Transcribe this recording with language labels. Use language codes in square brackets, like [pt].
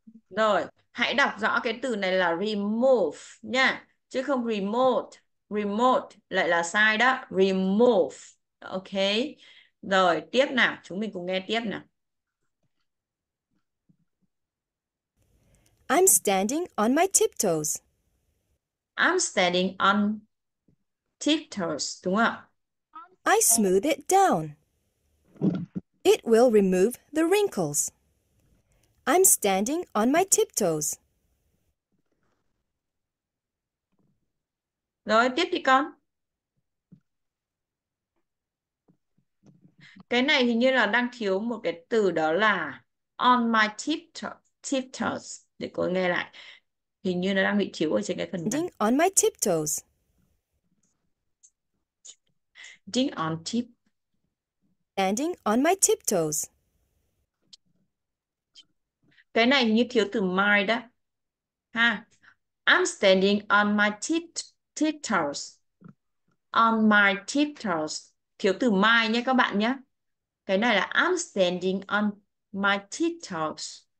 [vi] Rồi, hãy đọc rõ cái từ này là remove nha, chứ không remote. Remote lại là sai đó. Remove. Ok. Rồi, tiếp nào, chúng mình cùng nghe tiếp nào. [en] I'm standing on my tiptoes. I'm standing on tiptoes, [vi] đúng không? [en] I smooth it down. It will remove the wrinkles. I'm standing on my tiptoes. [vi] Rồi tiếp đi con. Cái này hình như là đang thiếu một cái từ đó là [en] on my tiptoes. [vi] Để cô nghe lại. Hình như nó đang bị thiếu ở trên cái phần này. [en] Standing on my tiptoes. Ding on tip. Standing on my tiptoes. [vi] Cái này như thiếu từ my đó. Ha. [en] I'm standing on my tiptoes. On my tiptoes. [vi] Thiếu từ my nhé các bạn nhé. Cái này là [en] I'm standing on my tiptoes.